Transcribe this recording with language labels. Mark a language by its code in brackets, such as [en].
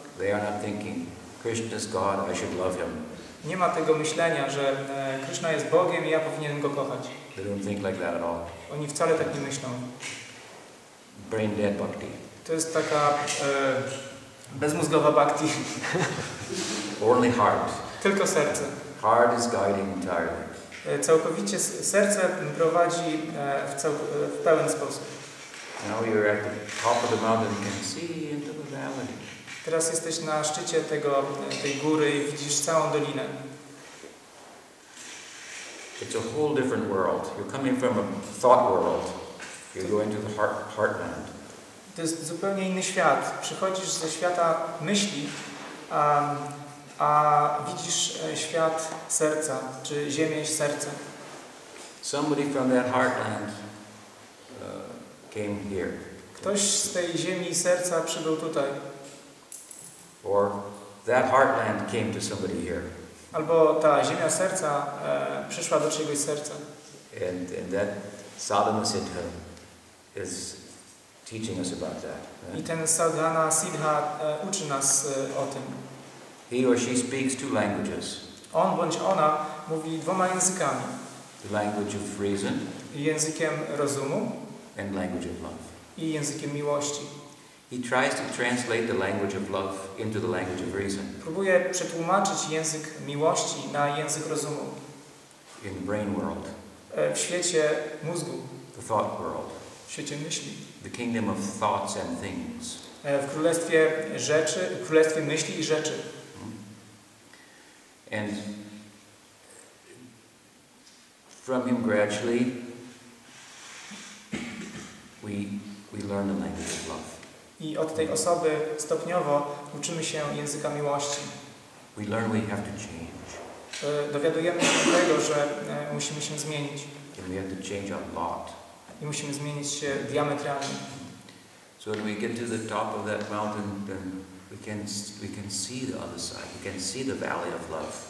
[en] They are not thinking, Krishna is God, I should love him. [pl] Nie ma tego myślenia, że Krishna jest Bogiem i ja powinienem go kochać. [en] They don't think like that at all. [pl] Oni wcale tak nie myślą. [en] Brain dead bhakti. [pl] To jest taka bezmózgowa bhakti. [en] Only heart. [pl] Tylko serce. [en] Heart is guiding entirely. [pl] Całkowicie serce prowadzi w pełen sposób. [en] Now you're at the top of the mountain, you can see into the valley. [pl] Teraz jesteś na szczycie tej góry i widzisz całą dolinę. [en] It's a whole different world. You're coming from a thought world. You're going to the heartland. [pl] To jest zupełnie inny świat. Przychodzisz ze świata myśli, a widzisz świat serca, czy ziemię serca. [en] Somebody from that heartland came here. [pl] Ktoś z tej ziemi serca przybył tutaj. [en] Or that heartland came to somebody here. [pl] Albo ta ziemia serca przyszła do czyjegoś serca. [en] And that sadhana siddha is teaching us about that. Right? [pl] I ten sadhana siddha uczy nas o tym. [en] He or she speaks two languages. [pl] On bądź ona mówi dwoma językami. [en] The language of reason. [pl] Językiem rozumu. [en] And language of love. [pl] I językiem miłości. [en] He tries to translate the language of love into the language of reason. [pl] Próbuje przetłumaczyć język miłości na język rozumu. [en] In the brain world. [pl] W świecie mózgu. [en] The thought world. [pl] W świecie myśli. [en] The kingdom of thoughts and things. [pl] W królestwie rzeczy, w królestwie myśli i rzeczy. [en] And from him gradually we learn the language of love. [pl] I od tej osoby stopniowo uczymy się języka miłości. [en] We learn we have to change. [pl] Dowiadujemy się tego, że musimy się zmienić. [en] And we have to change a lot. [pl] I musimy zmienić się diametralnie. [en] So when we get to the top of that mountain, then we can see the other side. We can see the valley of love.